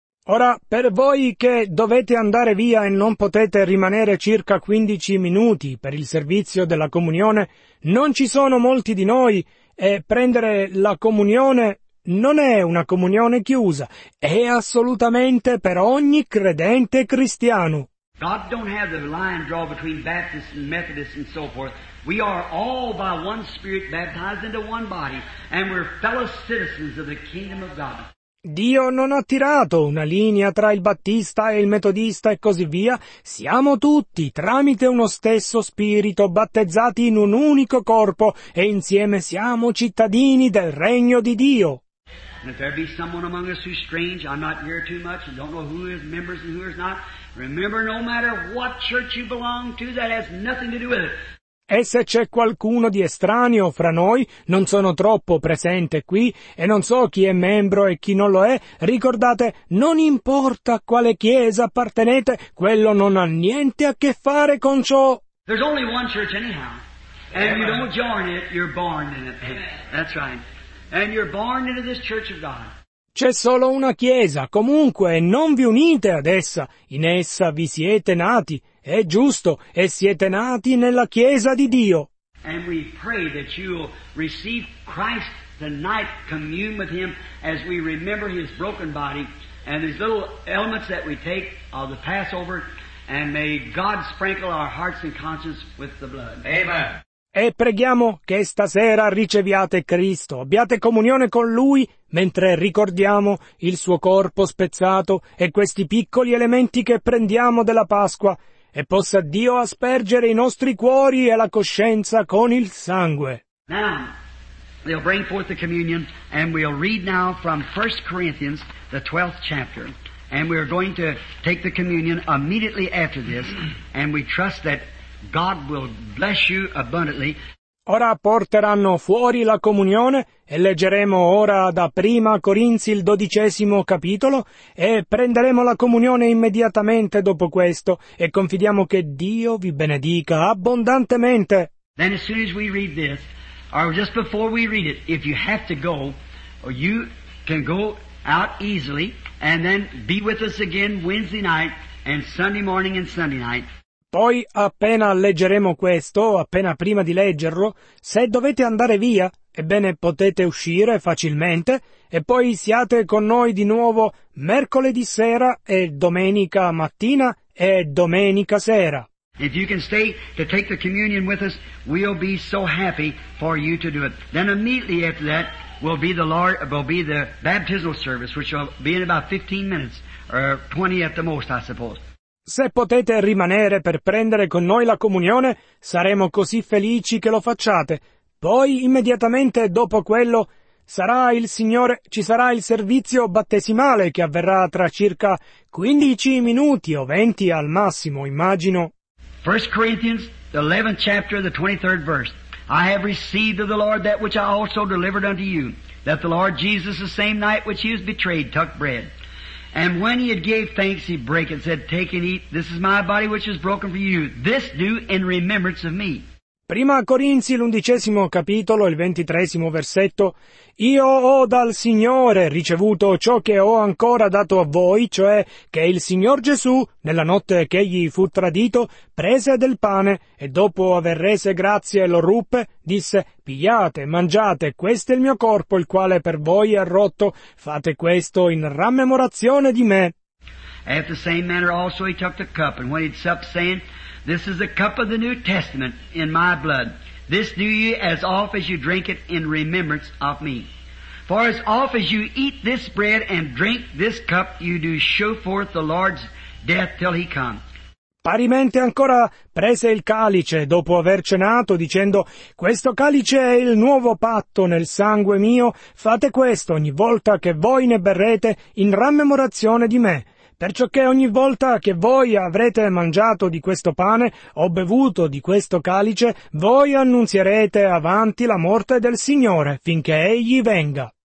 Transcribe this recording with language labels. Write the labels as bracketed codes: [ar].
[it] Ora, per voi che dovete andare via e non potete rimanere circa 15 minuti per il servizio della comunione, non ci sono molti di noi, e prendere la comunione non è una comunione chiusa, è assolutamente per ogni credente cristiano. [en] God don't have the line draw between Baptists and Methodists and so forth. We are all by one Spirit baptized into one body, and we're fellow citizens of the kingdom of God. [it] Dio non ha tirato una linea tra il Battista e il Metodista e così via. Siamo tutti, tramite uno stesso Spirito, battezzati in un unico corpo, e insieme siamo cittadini del Regno di Dio. [en] And if there be someone among us who's strange, I'm not here too much, and don't know who is members and who is not, remember, no matter what church you belong to, that has nothing to do with it. [it] E se c'è qualcuno di estraneo fra noi, non sono troppo presente qui, e non so chi è membro e chi non lo è, ricordate, non importa a quale chiesa appartenete, quello non ha niente a che fare con ciò. [en] There's only one church anyhow. And you don't join it, you're born in it. That's right. And you're born into this church of God. [it] C'è solo una chiesa, comunque, e non vi unite ad essa. In essa vi siete nati. È giusto, e siete nati nella chiesa di Dio. [en] And we pray that you'll receive Christ tonight, commune with him as we remember his broken body and these little elements that we take of the Passover, and may God sprinkle our hearts and conscience with the blood. Amen. [it] E preghiamo che stasera riceviate Cristo, abbiate comunione con Lui mentre ricordiamo il suo corpo spezzato e questi piccoli elementi che prendiamo della Pasqua, e possa Dio aspergere i nostri cuori e la coscienza con il sangue. [en] Now, they'll bring forth the communion, and we'll read now from 1 Corinthians, the 12th chapter. And we're going to take the communion immediately after this, and we trust that God will bless you abundantly. [it] Ora porteranno fuori la comunione e leggeremo ora da Prima Corinzi il 12° capitolo e prenderemo la comunione immediatamente dopo questo e confidiamo che Dio vi benedica abbondantemente. [en] Then as soon as we read this, or just before we read it, if you have to go, you can go out easily and then be with us again Wednesday night and Sunday morning and Sunday night. [it] Poi, appena leggeremo questo, appena prima di leggerlo, se dovete andare via, ebbene potete uscire facilmente, e poi siate con noi di nuovo mercoledì sera e domenica mattina e domenica sera. [en] If you can stay to take the communion with us, we'll be so happy for you to do it. Then immediately after that will be the Lord, will be the baptismal service, which will be in about 15 minutes, or 20 at the most, I suppose. [it] Se potete rimanere per prendere con noi la comunione, saremo così felici che lo facciate. Poi, immediatamente dopo quello, sarà il Signore, ci sarà il servizio battesimale che avverrà tra circa 15 minuti o 20 al massimo, immagino. [en] 1 Corinthians, the 11th chapter, the 23rd verse. I have received of the Lord that which I also delivered unto you, that the Lord Jesus, the same night which he was betrayed, took bread. And when he had gave thanks, he brake and said, Take and eat, this is my body which is broken for you, this do in remembrance of me. [it] Prima Corinzi, l'undicesimo capitolo, il ventitresimo versetto. Io ho dal Signore ricevuto ciò che ho ancora dato a voi, cioè che il Signor Gesù, nella notte che egli fu tradito, prese del pane e dopo aver rese grazie lo ruppe, disse, pigliate, mangiate, questo è il mio corpo, il quale per voi è rotto, fate questo in rammemorazione di me. [en] At the same manner also he took the cup, and when he'd supped, saying, This is the cup of the New Testament in my blood. This do ye as oft as you drink it in remembrance of me. For as oft as you eat this bread and drink this cup, you do show forth the Lord's death till he come. [it] Parimente ancora prese il calice dopo aver cenato, dicendo, Questo calice è il nuovo patto nel sangue mio. Fate questo ogni volta che voi ne berrete in rammemorazione di me. Perciò che ogni volta che voi avrete mangiato di questo pane o bevuto di questo calice, voi annunzierete avanti la morte del Signore finché egli venga.